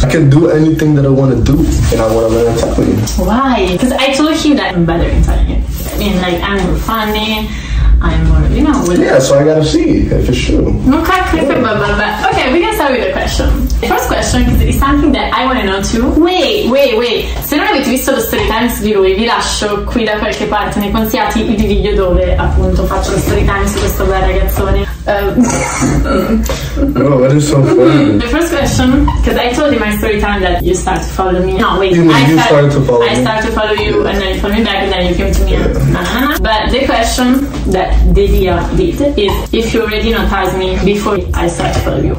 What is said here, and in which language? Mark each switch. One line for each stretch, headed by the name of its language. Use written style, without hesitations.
English: I can do anything that I want to do, and I want to learn Italian. Why? Because I told you that I'm better in Italian. I mean, like, I'm more funny, I'm more, you know. Yeah, so I gotta see if it's true. Okay, we can start with a question. The first question is something that I want to know too. Wait.
Italian: Se non avete visto lo story times di lui, vi lascio qui da qualche parte nei consigliati il video dove appunto faccio lo story times su questo bel ragazzone.
English: No, that is so funny. The first question, because I told you my story time that you started to follow me. No, wait. You started to follow me. I started to follow you, yes. And then you followed me back, and then you came to me. Yeah. Uh-huh. But the question that Delia did is if you already noticed me before I started to follow you.